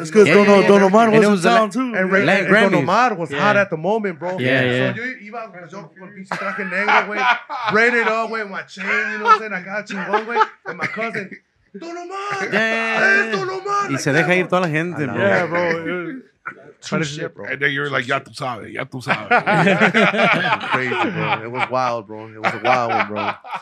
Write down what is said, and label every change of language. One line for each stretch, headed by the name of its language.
English: It's because Don Omar was in town, too. And Don Omar was hot at the moment, bro. Yeah.
Spanish: So yo con el pinche traje negro, güey.
English: Braided up, güey. My chain, you know what I'm saying? I got chingón, güey. And my cousin... Don Omar!
Spanish: Y se deja ir toda la gente, bro.
English: Yeah, bro. Shit, and then you're like,
Spanish: ya tú sabes.
English: Crazy, bro. It was wild, bro. It was a wild one, bro.